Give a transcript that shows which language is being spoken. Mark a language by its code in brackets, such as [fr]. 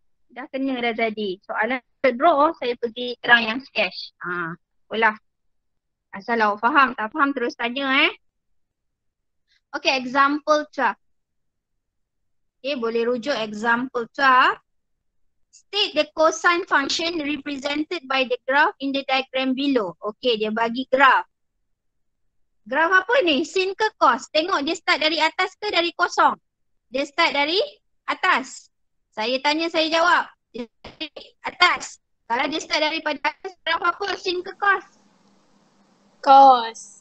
[ms] Dah kena dah tadi. Soalan draw, saya pergi terang yang sketch. Olah. Asal awak faham, tak faham terus tanya eh. Okay, example 12. Okay, boleh rujuk example 12. [en] State the cosine function represented by the graph in the diagram below. [ms] Okay, dia bagi graph. Graph apa ni? Sin ke cos? Tengok dia start dari atas ke dari kosong? Dia start dari atas. Saya tanya, saya jawab. Dia start dari atas. Kalau dia start daripada atas, graph apa? Sin ke cos? Cos.